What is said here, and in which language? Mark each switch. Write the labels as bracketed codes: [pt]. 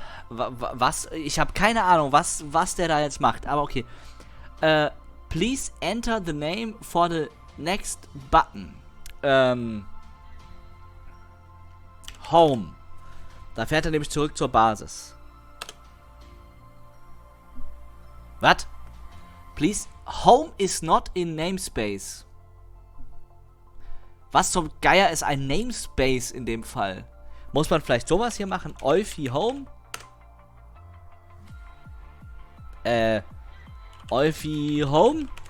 [de] Was? Ich habe keine Ahnung, was der da jetzt macht, aber okay. [en] Please enter the name for the next button. [de] Home. Da fährt er nämlich zurück zur Basis. [en] What? Please, home is not in namespace. [de] Was zum Geier ist ein Namespace in dem Fall? Muss man vielleicht sowas hier machen? Eufy Home? Eufy Home?